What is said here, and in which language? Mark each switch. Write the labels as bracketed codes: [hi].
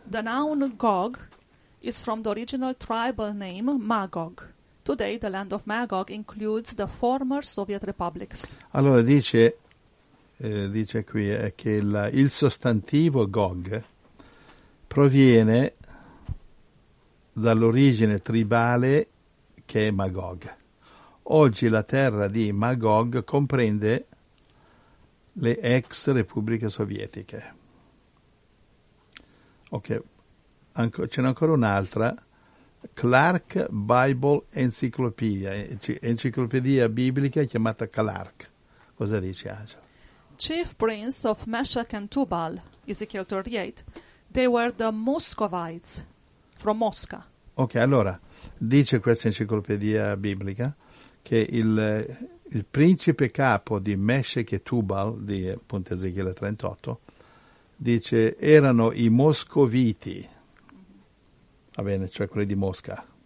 [en] The noun Gog is from the original tribal name Magog. Today the land of Magog includes the former Soviet republics. [it] Allora dice qui che il sostantivo Gog proviene dall'origine tribale che è Magog. Oggi la terra di Magog comprende le ex repubbliche sovietiche. Ok, ce n'è ancora un'altra. Clark Bible Encyclopedia, enciclopedia biblica chiamata Clark. Cosa dice, Angel? [en] Chief prince of Meshach and Tubal, Ezekiel 38, they were the Muscovites from Mosca. [it] Ok, allora, dice questa enciclopedia biblica che il principe capo di Meshech e Tubal, di appunto Ezechiele 38, dice, erano i Moscoviti, va bene, cioè quelli di Mosca.